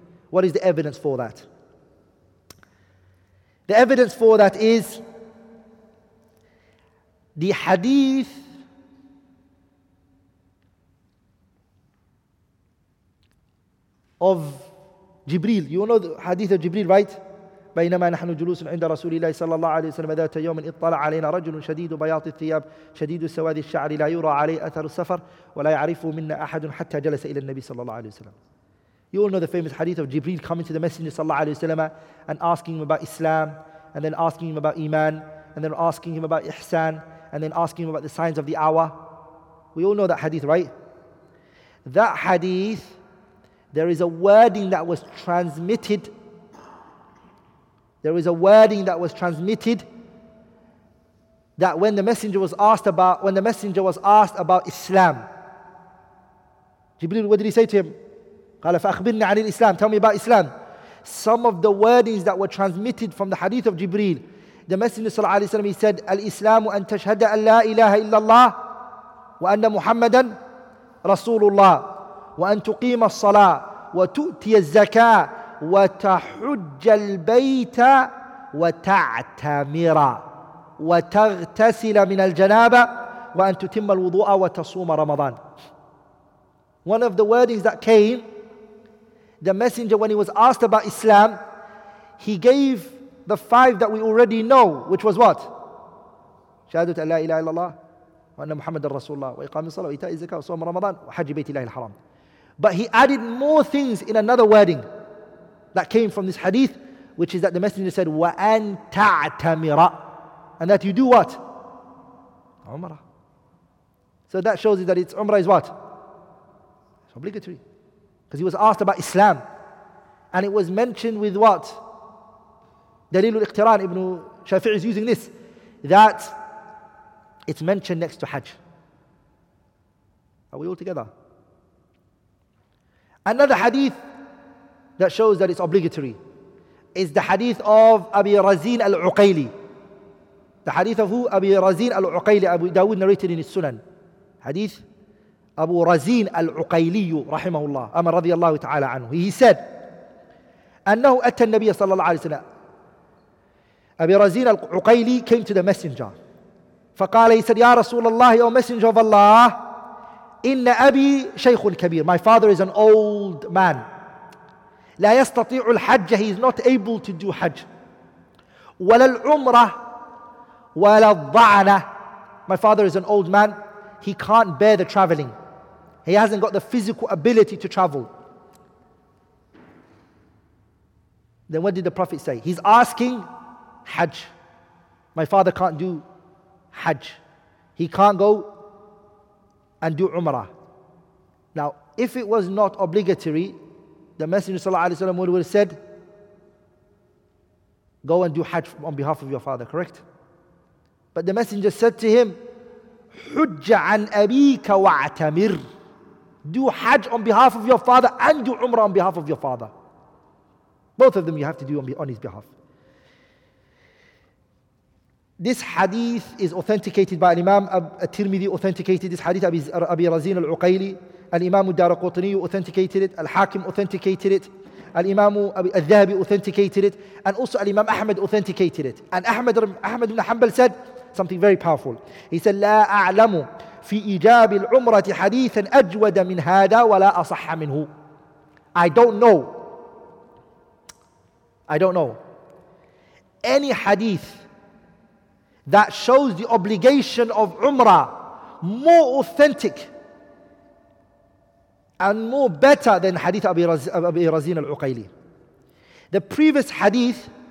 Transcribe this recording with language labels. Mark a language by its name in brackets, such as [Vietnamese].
[English] What is the evidence for that? The evidence for that is the hadith of Jibreel. You know the hadith of Jibreel, right? [Arabic] بينما نحن جلوس عند رسول الله صلى الله عليه وسلم ذات يوم اطلع علينا رجل شديد بياض الثياب شديد سواد الشعر لا يرى عليه اثر السفر ولا يعرفه منا احد حتى جلس الى النبي صلى الله عليه وسلم. [English] You all know the famous hadith of Jibreel coming to the Messenger صلى الله عليه وسلم and asking him about Islam, and then asking him about Iman, and then asking him about Ihsan, and then asking him about the signs of the hour. We all know that hadith, right? That hadith, there is a wording that was transmitted. There is a wording that was transmitted that when the Messenger was asked about, when the Messenger was asked about Islam, Jibreel, what did he say to him? [Arabic] قال فأخبرني عن الإسلام. [English] Tell me about Islam. Some of the wordings that were transmitted from the hadith of Jibreel, the Messenger صلى الله عليه وسلم, he said, [Arabic] الإسلام أن تشهد أن لا إله إلا الله وأن محمدا رسول الله وأن تقيم الصلاة وتؤتي الزكاة وتحج البيت وتعتمر وتغتسل من الجنابة وأن تتم الوضوء وتصوم رمضان. [English] One of the wordings that came, the Messenger, when he was asked about Islam, he gave the five that we already know, which was what? [Arabic] شهادت أن لا إله إلا الله وأن محمد رسول الله وإقام الصلاة وإيتاء الزكاة وصوم رمضان وحج بيت الله الحرام. [English] But he added more things in another wording that came from this hadith, which is that the Messenger said, [Arabic] وَأَن تَعْتَمِرَ, [English] and that you do what? Umrah. So that shows you that it's Umrah is what? It's obligatory. Because he was asked about Islam. And it was mentioned with what? Dalil al-Iqtiran, Ibn Shafi'i is using this, that it's mentioned next to Hajj. Are we all together? Another hadith that shows that it's obligatory is the hadith of Abi Razin al-Uqayli. The hadith of who? Abi Razin al-Uqayli, Abu Dawud narrated in his Sunan. Hadith Abu Razin al-Uqayli rahimahullah, Amar radiyallahu ta'ala anhu. He said, [Arabic] أنه أتى النبي صلى الله عليه وسلم. [English] Abi Razin al-Uqayli came to the Messenger. [Arabic] فقال, [English] he said, [Arabic] يا رسول الله, [English] O Messenger of Allah, [Arabic] إن أبي شيخ كبير. [English] My father is an old man. [Arabic] لا يستطيع الحج. [English] He is not able to do Hajj. [Arabic] ولا العمرة ولا الضعنة. [English] My father is an old man. He can't bear the traveling. He hasn't got the physical ability to travel. Then what did the Prophet say? He's asking Hajj. My father can't do Hajj. He can't go and do Umrah. Now, if it was not obligatory, the Messenger صلى الله عليه وسلم would have said, go and do Hajj on behalf of your father, correct? But the Messenger said to him, [Arabic] حج عن أبيك واعتمر. [English] Do Hajj on behalf of your father and do Umrah on behalf of your father. Both of them you have to do on his behalf. This hadith is authenticated by Imam al-Tirmidhi, authenticated this hadith, Abi Razin al-Uqayli. Al-Imam al-Darqutni authenticated it. Al-Hakim authenticated it. Al-Imam al-Dhahabi authenticated it. And also Al-Imam Ahmad authenticated it. And Ahmad ibn Hanbal said something very powerful. He said, [Arabic] لا أعلم في إجاب العمرة حديثا أجود من هذا ولا أصح منه. [English] I don't know. Any hadith that shows the obligation of Umrah more authentic and more better than hadith Abi Razin al-Uqayli. The previous hadith